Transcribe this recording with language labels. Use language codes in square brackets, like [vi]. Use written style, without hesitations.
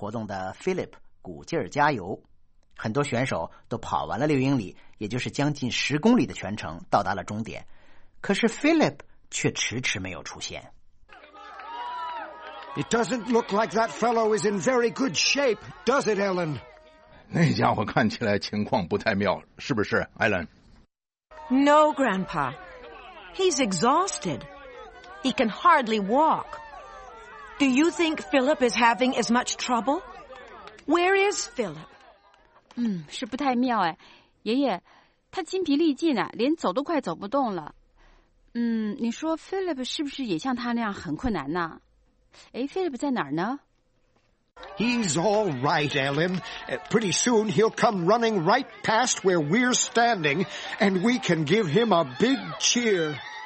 [zh] 刚才我们听了这次课文的英文全文，下面我们分段讲解。在课文的第一段里，Philip的太太Ellen和Philip的父亲等着给第一次参加这种活动的Philip鼓劲儿加油。很多选手都跑完了6英里， 也就是将近10公里的全程到达了终点， 可是Philip却迟迟没有出现。 [en] It doesn't look like that fellow is in very good shape, does it, Ellen? [zh] 那家伙看起来情况不太妙，是不是, Ellen? [en] No, Grandpa. He's exhausted. He can hardly walk. Do you think Philip is having as much trouble? Where is Philip? [zh] 是不太妙，爷爷，他筋疲力尽，连走都快走不动了。你说Philip是不是也像他那样很困难呢？诶，Philip在哪儿呢？ [en] He's all right, Ellen. Pretty soon he'll come running right past where we're standing, and we can give him a big cheer.